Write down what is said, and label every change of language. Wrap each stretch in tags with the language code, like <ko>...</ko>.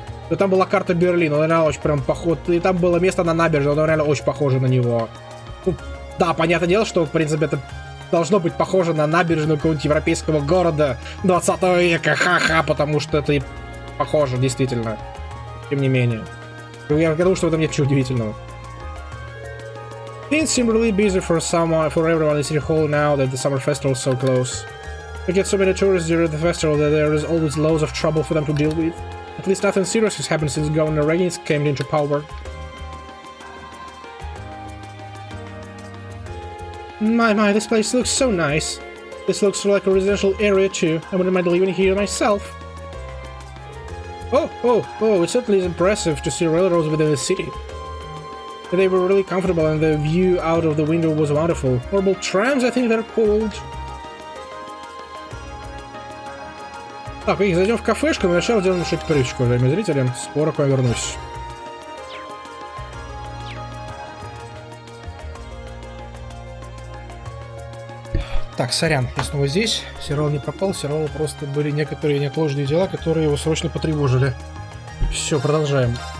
<ru>Да там была карта Берлина, он реально очень прям поход. И там было место на набережной, оно реально очень похоже на него. Ну, да, понятное дело, что, в принципе, это должно быть похоже на набережную какого-нибудь европейского города 20 века, ха-ха, потому что это и похоже, действительно. Тем не менее. Я думаю, что в этом нет ничего удивительного.</ru> <en>Things seem really busy for someone, for everyone in City Hall now that the summer festival is so close. We get so many tourists during the festival that there is always loads of trouble for them to deal with. At least nothing serious has happened since Governor Regis came into power. My, my, this place looks so nice. This looks like a residential area too. I wouldn't mind living here myself. Oh, it certainly is impressive to see railroads within the city. They were really comfortable and the view out of the window was wonderful. Normal trams, I think they're called.</en> <ru>Так, их зайдем в кафешку, но сначала сделаем еще перечку, уже моим зрителям. Скоро к вам вернусь. Так, сорян, я снова здесь. Сервер не пропал, сервер просто были некоторые неотложные дела, которые его срочно потревожили. Все, продолжаем.</ru>